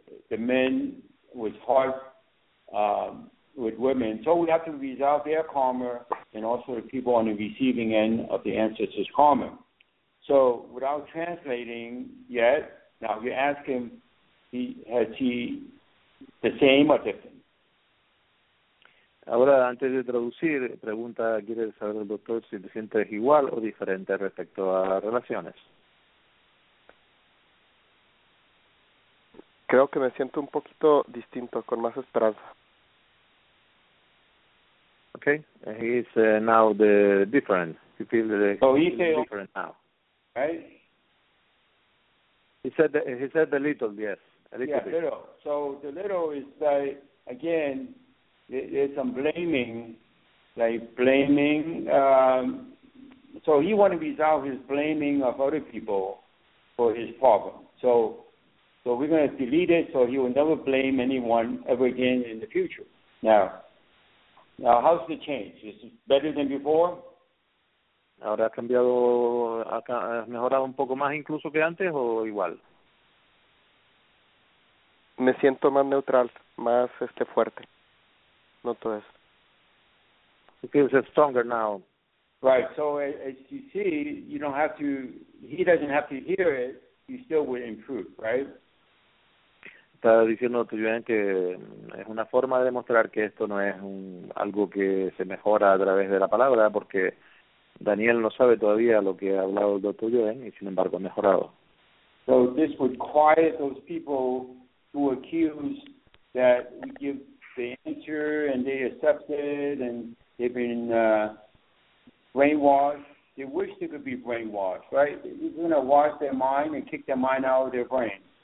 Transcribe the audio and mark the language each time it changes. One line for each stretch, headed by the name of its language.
English: The men was hard with women. So we have to resolve their karma and also the people on the receiving end of the ancestors' karma. So without translating yet, now you ask him, has he the same or different?
Spanish: Ahora, antes de traducir, pregunta, ¿quiere saber el doctor si te sientes igual o diferente respecto a relaciones? Creo que me siento un poquito distinto, con más esperanza.
English: Okay, he's now the different. He feels different now. Right? He said the little, yes. A little. So the little is that, again, there's some blaming, so he wants to resolve his blaming of other people for his problem. So we're going to delete it so he will never blame anyone ever again in the future. Now how's the change? Is it better than before?
Spanish: ¿Ahora ha cambiado, ha mejorado un poco más incluso que antes o igual? Me siento más neutral, más fuerte. Noto eso.
English: He feels stronger now. Right, so as you see, you don't have to, he doesn't have to hear it, you still will improve, right?
Spanish: Está diciendo también que es una forma de demostrar que esto no es algo que se mejora a través de la palabra, porque Daniel no sabe todavía lo que ha hablado el doctor Yuen y sin embargo ha mejorado.
English: So this would quiet those people who accuse that we give the answer and they accept it and they've been brainwashed. They wish they could be brainwashed, right? We're going to wash their mind and kick their mind out of their brain.